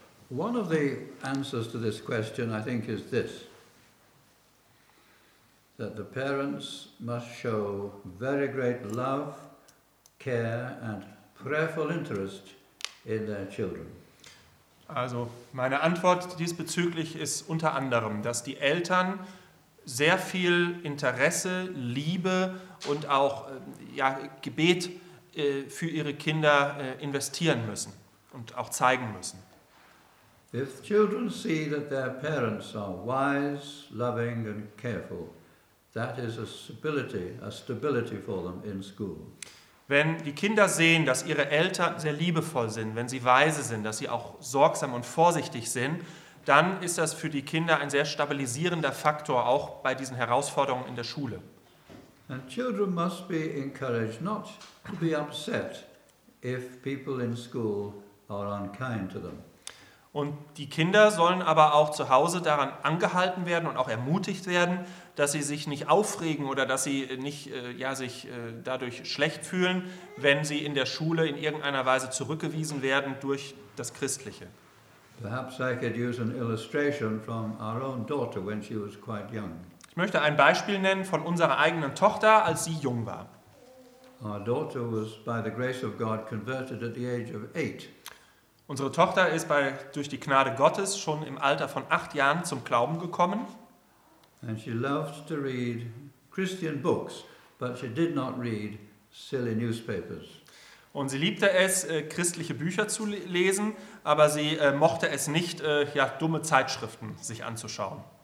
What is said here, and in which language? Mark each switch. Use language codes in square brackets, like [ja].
[en] One of the answers to this question, I think, is this. That the parents must show very great love, care and prayerful interest in their children. [de] Also meine Antwort diesbezüglich ist unter anderem, dass die Eltern sehr viel Interesse, Liebe und auch Gebet für ihre Kinder investieren müssen und auch zeigen müssen. [en] If children see that their parents are wise, loving and careful, that is a stability for them in school. [de] Wenn die Kinder sehen, dass ihre Eltern sehr liebevoll sind, wenn sie weise sind, dass sie auch sorgsam und vorsichtig sind, dann ist das für die Kinder ein sehr stabilisierender Faktor auch bei diesen Herausforderungen in der Schule. [en] And children must be encouraged not to be upset if people in school are unkind to them. [de] Und die Kinder sollen aber auch zu Hause daran angehalten werden und auch ermutigt werden, dass sie sich nicht aufregen oder dass sie nicht sich dadurch schlecht fühlen, wenn sie in der Schule in irgendeiner Weise zurückgewiesen werden durch das Christliche. [en] Perhaps I could use an illustration from our own daughter when she was quite young. [de] Ich möchte ein Beispiel nennen von unserer eigenen Tochter, als sie jung war. [en] Our daughter was by the grace of God converted at the age of 8. [de] Unsere Tochter ist durch die Gnade Gottes schon im Alter von 8 Jahren zum Glauben gekommen. [en] And she loved to read Christian books, but she did not read silly newspapers. [de] Und sie liebte es, christliche Bücher zu lesen, aber sie mochte es nicht, dumme Zeitschriften sich anzuschauen.